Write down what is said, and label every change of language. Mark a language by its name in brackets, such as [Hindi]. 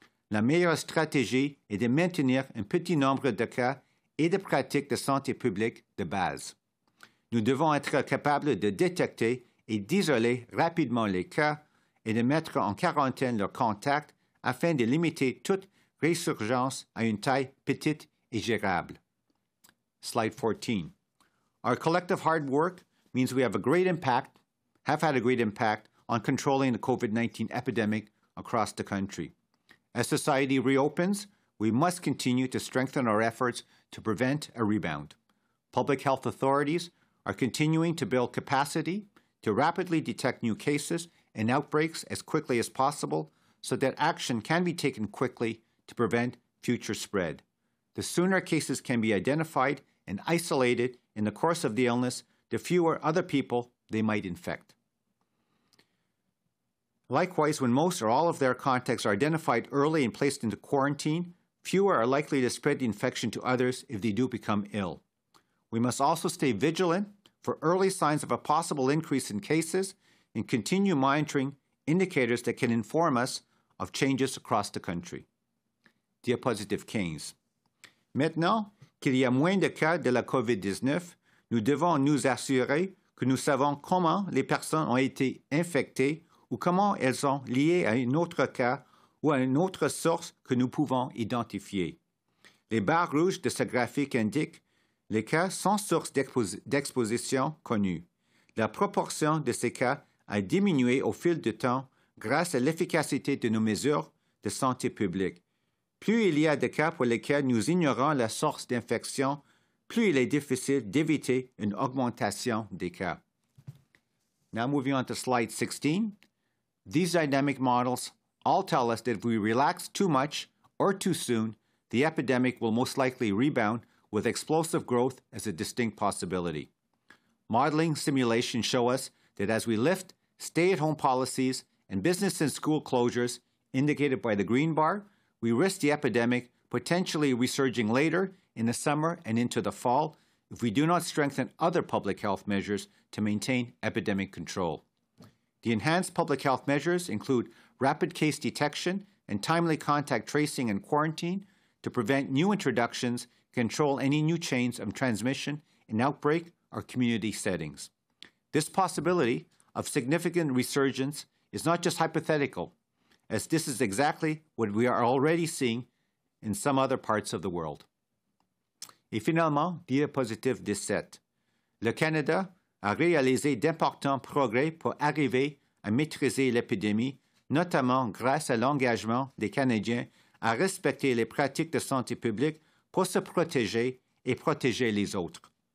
[French] La meilleure stratégie est de maintenir un petit nombre de cas et de pratiques de santé publique de base. Nous devons être capables de détecter et d'isoler rapidement les cas et de mettre en quarantaine leurs contacts afin de limiter toute résurgence à une taille petite et gérable. [English] Slide 14. Our collective hard work means we have had a great impact on controlling the COVID-19 epidemic across the country. As society reopens, we must continue to strengthen our efforts to prevent a rebound. Public health authorities are continuing to build capacity to rapidly detect new cases and outbreaks as quickly as possible so that action can be taken quickly to prevent future spread. The sooner cases can be identified and isolated in the course of the illness, the fewer other people they might infect. Likewise, when most or all of their contacts are identified early and placed into quarantine, fewer are likely to spread the infection to others if they do become ill. We must also stay vigilant for early signs of a possible increase in cases and continue monitoring indicators that can inform us of changes across the country. [French] Diapositive 15. Maintenant qu'il y a moins de cas de la COVID-19, nous devons nous assurer que nous savons comment les personnes ont été infectées ou comment elles sont liées à un autre cas ou à une autre source que nous pouvons identifier. Les barres rouges de ce graphique indiquent les cas sans source d'exposition connue. La proportion de ces cas a diminué au fil du temps grâce à l'efficacité de nos mesures de santé publique. Plus il y a de cas pour lesquels nous ignorons la source d'infection, plus il est difficile d'éviter une augmentation des cas. [English] Now moving on to slide 16. These dynamic models all tell us that if we relax too much or too soon, the epidemic will most likely rebound with explosive growth as a distinct possibility. Modeling simulations show us that as we lift stay-at-home policies and business and school closures indicated by the green bar, we risk the epidemic potentially resurging later in the summer and into the fall if we do not strengthen other public health measures to maintain epidemic control. The enhanced public health measures include rapid case detection and timely contact tracing and quarantine to prevent new introductions, control any new chains of transmission in outbreak or community settings. This possibility of significant resurgence is not just hypothetical, as this is exactly what we are already seeing in some other parts of the world. [French] Et finalement, diapositive 17. Le Canada a réalisé d'importants progrès pour arriver à maîtriser l'épidémie, notamment grâce à l'engagement des Canadiens à respecter les pratiques de santé publique pour se protéger et protéger les autres.